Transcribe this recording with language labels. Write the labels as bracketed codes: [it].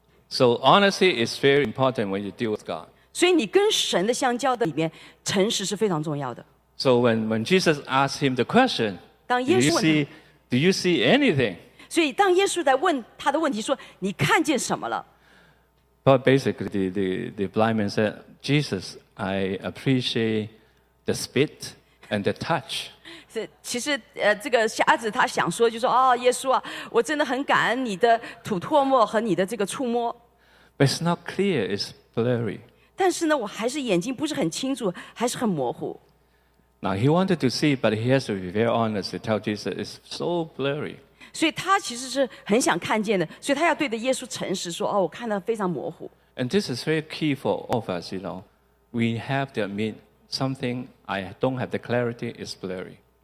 [en] So honesty is very important when you deal with God. [zh] 所以你跟神的相交的里面，诚实是非常重要的。 [en] So when Jesus asked him the question, [zh] 当耶稣问他 [en] do you see anything? [zh] 所以当耶稣在问他的问题说，你看见什么了？ [en] But basically, the blind man said, Jesus, I appreciate the spit and the touch. [zh] 其实这个瞎子他想说就说耶稣啊我真的很感恩你的吐唾沫和你的这个触摸 [en] But it's not clear, it's blurry. [zh] 但是呢我还是眼睛不是很清楚还是很模糊 [en] Now he wanted to see, but he has to be very honest to tell Jesus it's so blurry. [zh] 所以他其实是很想看见的所以他要对着耶稣诚实说哦我看得非常模糊 [en] And this is very key for all of us, you know. We have to admit something I don't have the clarity is blurry.